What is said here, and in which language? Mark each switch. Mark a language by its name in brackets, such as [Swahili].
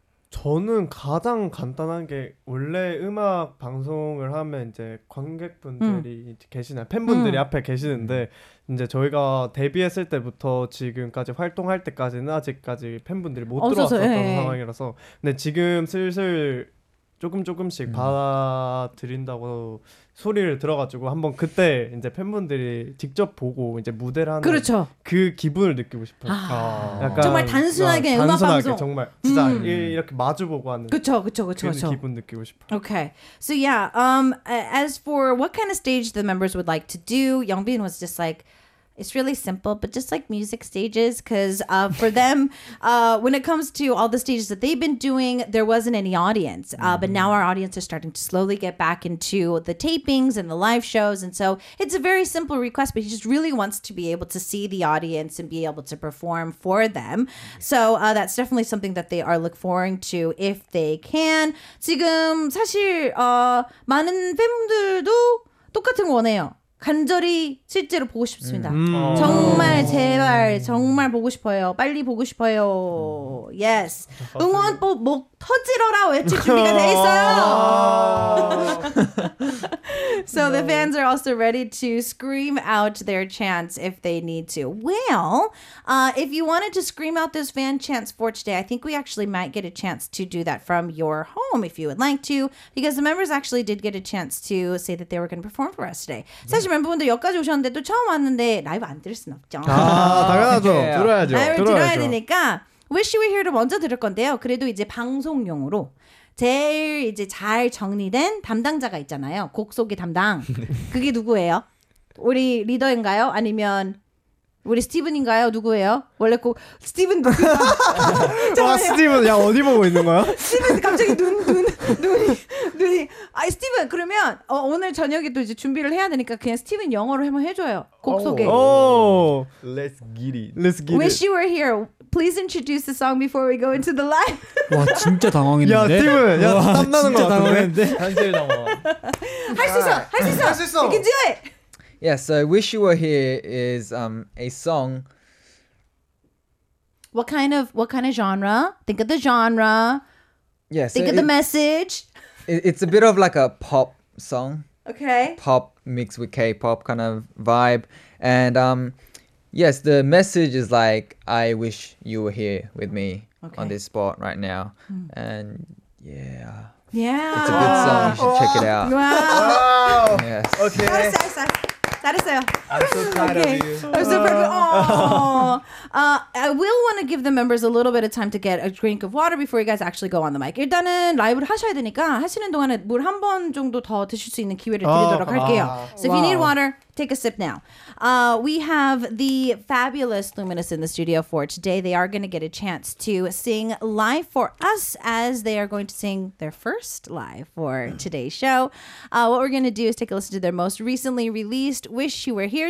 [Korean] 저는 가장 간단한 게 원래 음악 방송을 하면 이제 관객분들이 계시나 팬분들이 앞에 계시는데 이제 저희가 데뷔했을 때부터 지금까지 활동할 때까지는 아직까지 팬분들이 못 들어왔었던 상황이라서 근데 지금 슬슬 조금씩 받아들인다고 소리를 들어가지고 한번 그때 이제 팬분들이 직접 보고 이제 무대를 하는 그렇죠. 그 기분을 느끼고 싶어요. 약간 정말 단순하게 음악 방송 정말 진짜 이렇게 마주 보고 하는 그쵸. 기분 느끼고 싶어요. [English] Okay, so yeah, as for what kind of stage the members would like to do, Youngbin was just like, it's really simple, but just like music stages, because for them, when it comes to all the stages that they've been doing, there wasn't any audience. But now our audience is starting to slowly get back into the tapings and the live shows. And so it's a very simple request, but he just really wants to be able to see the audience and be able to perform for them. So that's definitely something that they are looking forward to if they can. [Korean] 지금 사실 많은 팬분들도 똑같은 원해요. 간절히 실제로 보고 싶습니다. 정말 제발 정말 보고 싶어요. 빨리 보고 싶어요. [English] Yes. [Korean] 응원 목 터지러라 외칠 준비가 돼 있어요. [English] So the fans are also ready to scream out their chants if they need to. Well, if you wanted to scream out those fan chants for today, I think we actually might get a chance to do that from your home if you would like to, because the members actually did get a chance to say that they were going to perform for us today. [Korean] So 멤버분들 여기까지 오셨는데 또 처음 왔는데 라이브 안 들을 순 없죠. 아 당연하죠. 들어야죠. 라이브 들어야 되니까 Wish You Were Here를 먼저 들을 건데요. 그래도 이제 방송용으로 제일 이제 잘 정리된 담당자가 있잖아요. 곡 소개 담당. 그게 누구예요? 우리 리더인가요? 아니면 우리 스티븐인가요? 누구예요? 원래 꼭 스티븐 누구야? 아 스티븐 야 어디 보고 있는 거야? 스티븐 갑자기 눈이 아 스티븐 그러면 오늘 저녁에 또 이제 준비를 해야 되니까 그냥 스티븐 영어로 한번 해줘요 곡 소개. [English] Let's get it. Let's get it. Wish you were here. Please introduce the song before we go into the live. [Korean] 와 진짜 당황했는데. 야 스티븐 야 땀나는 거 당황했는데. 현실 당황. 할 수 있어 할 수 있어 할 수 있어. [English] You can do it. Yeah, so Wish You Were Here is a song. What kind of genre? Think of the genre. Yeah, think of the message. It's a bit of like a pop song. Okay. Pop mixed with K-pop kind of vibe. And yes, the message is like, I wish you were here with me on this spot right now. And yeah. Yeah. It's a good song. You should check it out. Wow. Yes. Okay. I'm so proud of you. I will want to give the members a little bit of time to get a drink of water before you guys actually go on the mic. [Korean] 일단은 라이브를 하셔야 되니까 하시는 동안에 물 한 번 정도 더 드실 수 있는 기회를 드리도록 할게요. [English] So if you need water, take a sip now. We have the fabulous Luminous in the studio for today. They are going to get a chance to sing live for us as they are going to sing their first live for today's show. What we're going to do is take a listen to their most recently released Wish You Were Here.